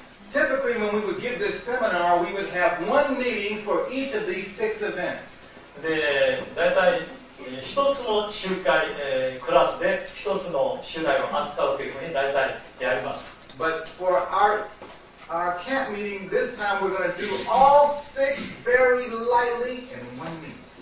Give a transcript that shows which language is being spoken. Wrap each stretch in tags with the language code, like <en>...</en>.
<en>Typically, when we would give this seminar, we would have one meeting for each of these six events.</en> <ja>で、大体1つの集会、クラスで1つの主題を扱うというふうに大体やります。</ja> <en>But for our camp meeting, this time we're going to do all six very lightly in one meeting.</en>